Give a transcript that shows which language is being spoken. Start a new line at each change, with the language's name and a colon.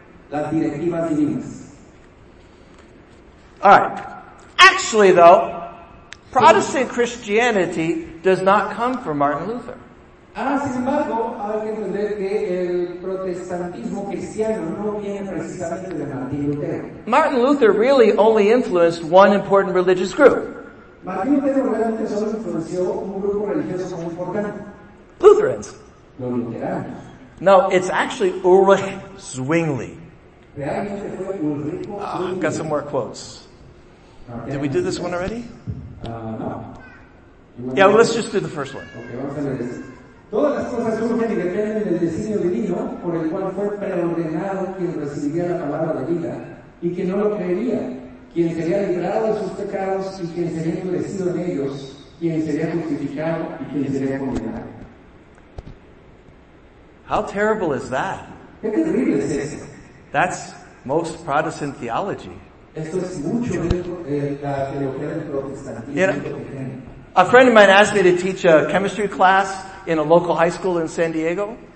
Spanish: Las directivas divinas.
English: All right. Actually, though, Protestant Christianity does not come from Martin Luther.
Spanish: Ah, sin embargo, hay que entender que el protestantismo cristiano no viene precisamente de Martin Luther.
English: Martin Luther really only influenced one important religious group.
Spanish: Martin Luther realmente solo influenció un grupo religioso muy importante.
English: Lutherans.
Spanish: Los luteranos.
English: No, it's actually Ulrich Zwingli.
Spanish: Realmente fue Ulrich Zwingli.
English: I've got some more quotes. Did we do this one already? No. Yeah, well, let's just do the first one.
Spanish: Okay, vamos a ver this. Todas las cosas surgen y dependen del designio divino por el cual fue preordenado quien recibiría la palabra de vida y quien no lo creería, quien sería librado de sus pecados y quien sería endurecido en ellos, quien sería justificado y quien sería condenado.
English: How terrible is that?
Spanish: ¿Qué terrible es eso?
English: That's most Protestant theology.
Spanish: Esto es mucho de la teología del protestantismo.
English: You know, a friend of mine asked me to teach a chemistry class in a local high school in San Diego.